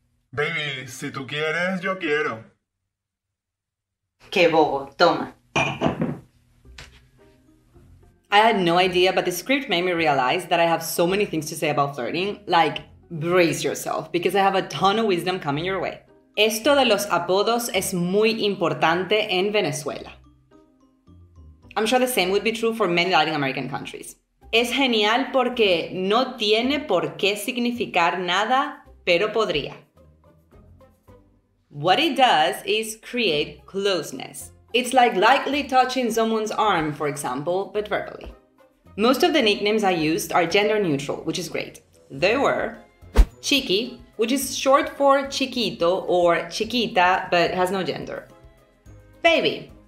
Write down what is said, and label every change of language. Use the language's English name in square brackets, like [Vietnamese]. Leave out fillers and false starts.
[Spanish] Baby, si tú quieres, yo quiero. Qué bobo, toma. [English] Had no idea, but the script made me realize that I have so many things to say about flirting. Like, brace yourself, because I have a ton of wisdom coming your way. [Spanish] Esto de los apodos es muy importante en Venezuela. [English] I'm sure the same would be true for many Latin American countries. [Spanish] Es genial porque no tiene por qué significar nada, pero podría. [English] What it does is create closeness. It's like lightly touching someone's arm, for example, but verbally. Most of the nicknames I used are gender neutral, which is great. They were Chiqui, which is short for chiquito or chiquita, but has no gender. Baby.